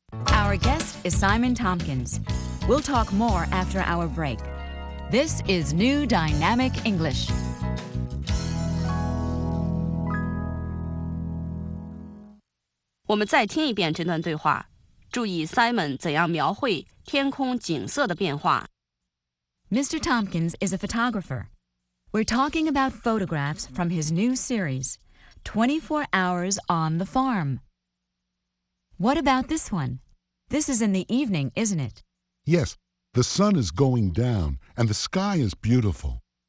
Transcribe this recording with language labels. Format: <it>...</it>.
<en>Our guest is Simon Tompkins. We'll talk more after our break. This is New Dynamic English. We'll listen to this conversation again.</en> <zh>注意 Simon 怎样描绘天空景色的变化。</zh> <en>Mr. Tompkins is a photographer. We're talking about photographs from his new series, 24 Hours on the Farm. What about this one? This is in the evening, isn't it? Yes, the sun is going down and the sky is beautiful.</en>